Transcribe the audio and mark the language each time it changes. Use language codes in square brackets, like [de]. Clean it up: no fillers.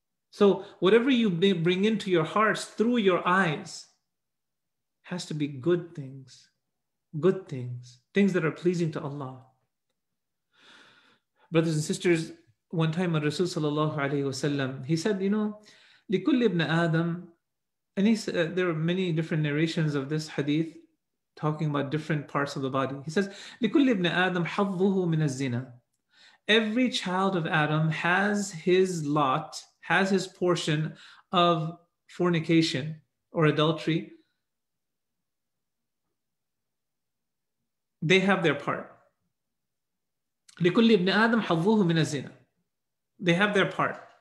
[en] So whatever you bring into your hearts through your eyes has to be good things. Good things. Things that are pleasing to Allah. Brothers and sisters, one time Rasul sallallahu alayhi wa sallam, he said, you know, [ar] لِكُلِّ ابْنَ آدَمْ. [en] And he said, there are many different narrations of this hadith talking about different parts of the body. He says, [ar] لِكُلِّ ابْنَ آدَمْ حَظُّهُ مِنَ الزِّنَا. [en] Every child of Adam has his lot, has his portion of fornication or adultery. They have their part. [ar] لِكُلِّ ابْنِ آدَمْ حَظُّهُ مِنَ الزِّنَا. [en] They have their part.